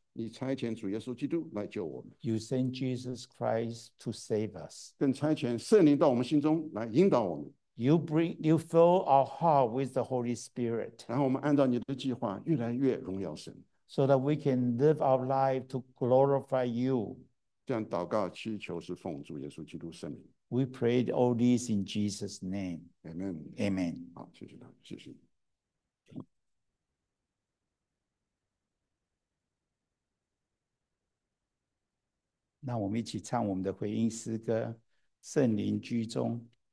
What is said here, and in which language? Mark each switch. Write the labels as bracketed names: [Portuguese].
[Chinese] 你差遣主耶稣基督来救我们。 [English] You send Jesus Christ to save us. [Chinese] 更差遣圣灵到我们心中来引导我们。 [English] You fill our heart with the Holy Spirit. [Chinese] 然后我们按照你的计划越来越荣耀神。 [English] So that we can live our life to glorify you. [Chinese] 这样祷告祈求是奉主耶稣基督圣名。 [English] We prayed all this in Jesus' name. Amen. Amen. [Chinese] 好，谢谢他，谢谢。那我们一起唱我们的回应诗歌，圣灵居中，